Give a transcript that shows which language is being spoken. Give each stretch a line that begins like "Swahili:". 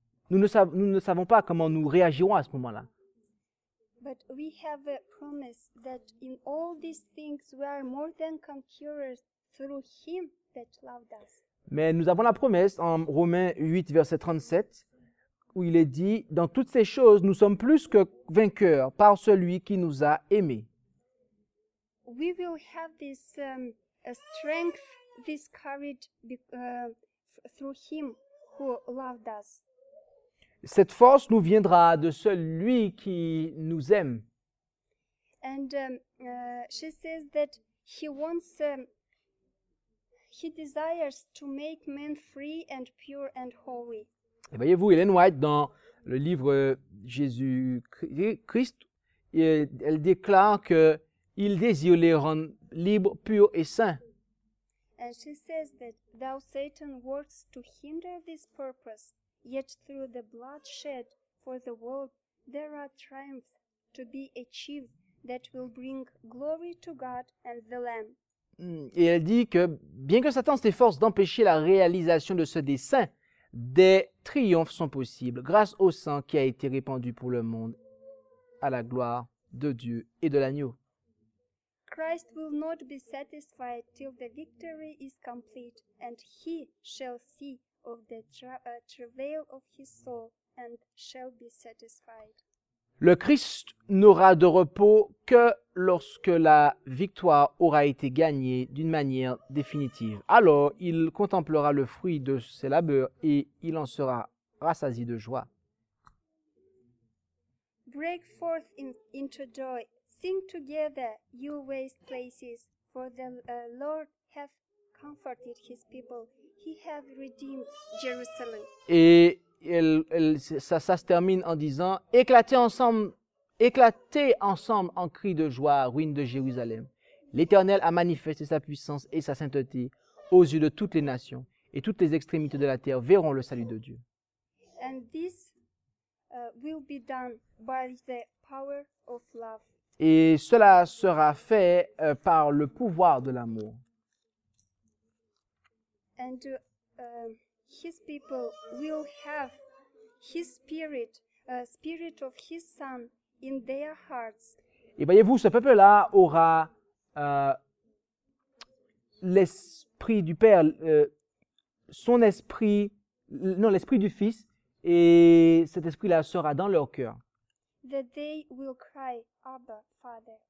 French: Nous ne savons pas comment nous réagirons à ce moment-là.
English: But we have a promise that in all these things we are more than conquerors through him that loved us.
French: Mais nous avons la promesse en Romains 8, verset 37, où il est dit, dans toutes ces choses, nous sommes plus que vainqueurs par celui qui nous a aimés.
English: We will have this strength, this courage through him who loved us.
French: Cette force nous viendra de celui qui nous aime.
English: And she says that he wants he desires to make men free and pure and holy.
French: Et voyez-vous, Ellen White dans le livre Jésus-Christ, elle déclare que il désire les rendre libres, purs et saints.
English: And she says that thou Satan works to hinder this purpose, yet through the blood shed for the world, there are triumphs to be achieved that will bring glory to God and the Lamb.
French: Et elle dit que bien que Satan s'efforce d'empêcher la réalisation de ce dessein, des triomphes sont possibles grâce au sang qui a été répandu pour le monde à la gloire de Dieu et de l'agneau.
English: Christ will not be satisfied till the victory is complete, and he shall see of the travail of his soul and shall be satisfied.
French: Le Christ n'aura de repos que lorsque la victoire aura été gagnée d'une manière définitive. Alors, il contemplera le fruit de ses labeurs et il en sera rassasié de joie.
English: Break forth into joy. Sing together, you waste places, for the Lord hath comforted his people. He hath redeemed Jerusalem.
French: Et ça se termine en disant éclatez ensemble en cris de joie, ruines de Jérusalem. L'Éternel a manifesté sa puissance et sa sainteté aux yeux de toutes les nations, et toutes les extrémités de la terre verront le salut de Dieu.
English: And this will be done by the power of love.
French: Et cela sera fait par le pouvoir de l'amour.
English: And his people will have his spirit, spirit of his son in their hearts.
French: Et voyez-vous, ce peuple-là aura l'esprit du Père, son esprit, non, l'esprit du Fils, et cet esprit-là sera dans leur cœur.
English: That they will cry, Abba, Father.